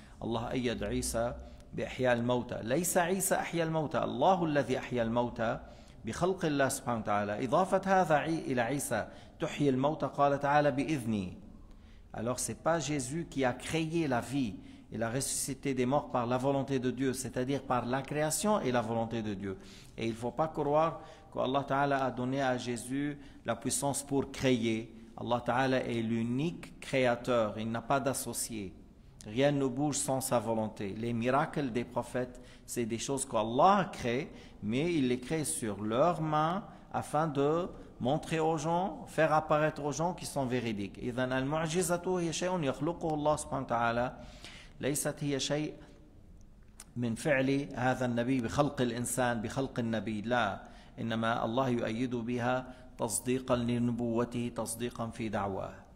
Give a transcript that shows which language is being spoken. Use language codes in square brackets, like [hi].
[ar] Allah أيد عيسى بإحياء الموتى ليس عيسى أحيا الموتى الله الذي أحيا الموتى بخلق الله سبحانه وتعالى إضافة هذا إلى عيسى تحيي الموتى قال تعالى بإذني. [fr] Alors c'est pas Jésus qui a créé la vie et la ressuscité des morts par la volonté de Dieu, c'est-à-dire par la création et la volonté de Dieu. Et il faut pas croire que Allah Ta'ala a donné à Jésus la puissance pour créer. Allah Ta'ala est l'unique créateur, il n'a pas d'associé. Rien ne bouge sans sa volonté. Les miracles des prophètes, c'est des choses qu'Allah crée, mais il les crée sur leurs mains afin de montrer aux gens, faire apparaître aux gens qui sont véridiques. [ar] إذن المعجزة هي شيء يخلقه الله سبحانه وتعالى ليست هي شيء من فعل هذا النبي بخلق الإنسان بخلق النبي لا إنما الله يؤيد بها تصديقا لنبوته تصديقا في دعواه.